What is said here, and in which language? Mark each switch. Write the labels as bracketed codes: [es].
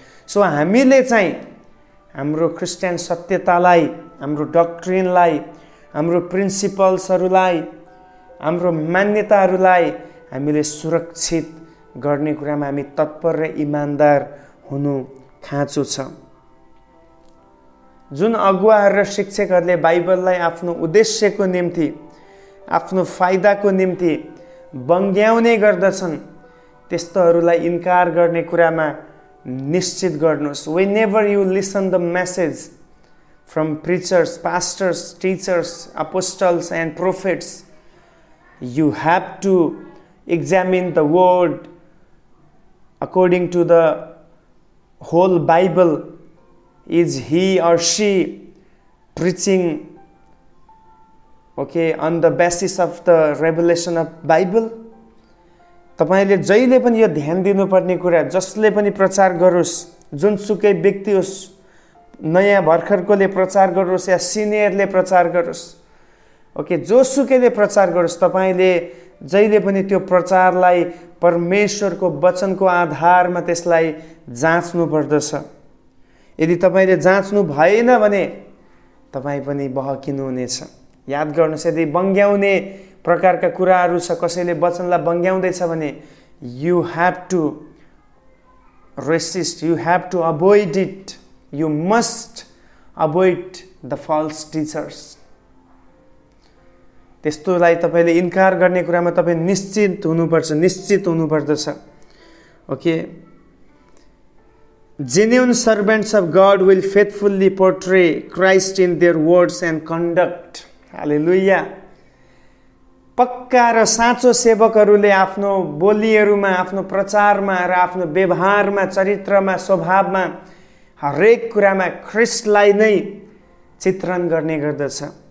[ne] So हामीले चाहिँ हाम्रो क्रिस्चियन सत्यतालाई, हाम्रो डक्ट्रिनलाई, हाम्रो प्रिन्सिपल्सहरूलाई, हाम्रो मान्यताहरूलाई हामीले सुरक्षित गर्ने कुरामा हामी तत्पर र इमान्दार हुनु खाँचो छ। जुन अगुवाहरू र शिक्षकहरूले बाइबललाई आफ्नो उद्देश्यको निम्ति, आफ्नो फाइदाको निम्ति बङ्ग्याउने गर्दछन्, त्यस्तोहरूलाई इन्कार गर्ने कुरामा निश्चित गर्नुहोस्। [en] Whenever you listen the message from preachers, pastors, teachers, apostles and prophets, you have to examine the word according to the whole Bible. Is he or she preaching okay on the basis of the revelation of Bible? [ne] तपाईले जहिले पनि यो ध्यान दिनुपर्ने कुरा, जसले पनि प्रचार गरोस्, जुनसुकै व्यक्ति होस्, नयाँ भर्खरकोले प्रचार गरोस् या सिनियरले प्रचार गरोस्, ओके, जोसुकैले प्रचार गरोस्, तपाईँले जहिले पनि त्यो प्रचारलाई परमेश्वरको वचनको आधारमा त्यसलाई जाँच्नु पर्दछ। यदि तपाईँले जाँच्नु भएन भने तपाईँ पनि बहकिनुहुनेछ। याद गर्नुहोस्, यदि बङ्ग्याउने प्रकारका कुराहरू छ, कसैले वचनलाई बङ्ग्याउँदैछ भने [en] You have to resist, you have to avoid it, you must avoid the false teachers. [ne] त्यस्तो लाई तपाईँले इन्कार गर्ने कुरामा तपाईँ निश्चित हुनुपर्छ, निश्चित हुनुपर्दछ, okay? [en] Genuine servants of God will faithfully portray Christ in their words and conduct. Hallelujah. [ne] पक्का र साँचो सेवकहरूले आफ्नो बोलीहरूमा, आफ्नो प्रचारमा र आफ्नो व्यवहारमा, चरित्रमा, स्वभावमा, हरेक कुरामा ख्रिस्टलाई नै चित्रण गर्ने गर्दछ।